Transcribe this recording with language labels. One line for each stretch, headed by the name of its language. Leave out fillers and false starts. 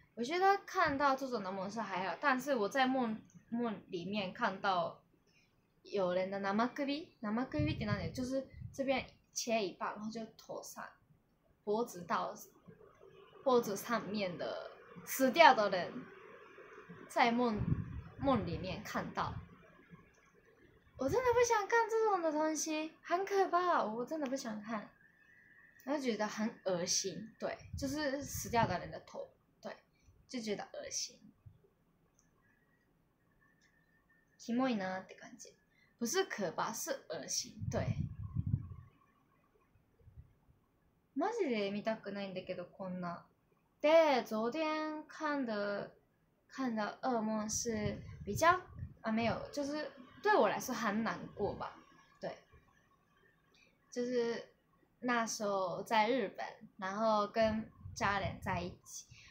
Chinese: 我觉得看到这种的梦是还好，但是我在梦里面看到有人的
Japanese: 生首って何だよ，
Chinese: 就是这边切一半，然后就头上脖子到脖子上面的死掉的人，在梦里面看到，我真的不想看这种的东西，很可怕，我真的不想看，我就觉得很恶心，对，就是死掉的人的头。就觉得恶心，
Japanese: キモいなって感じ，
Chinese: 不是可怕，是恶心。
Japanese: 对，マジで見たくないんだけどこんな。
Chinese: で、昨天看的噩梦是比较啊没有，就是对我来说很难过吧。对，就是那时候在日本，然后跟家人在一起。